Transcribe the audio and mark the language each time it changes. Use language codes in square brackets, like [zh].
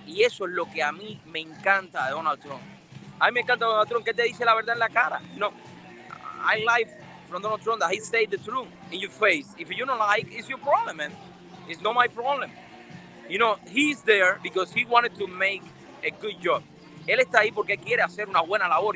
[es] Y eso es lo que a mí me encanta de Donald Trump. A mí me encanta Donald Trump, que te dice la verdad en la cara. No. [en] I like from Donald Trump that he said the truth in your face. If you don't like, it's your problem, man. It's not my problem. You know, he's there because he wanted to make a good job. [es] Él está ahí porque quiere hacer una buena labor.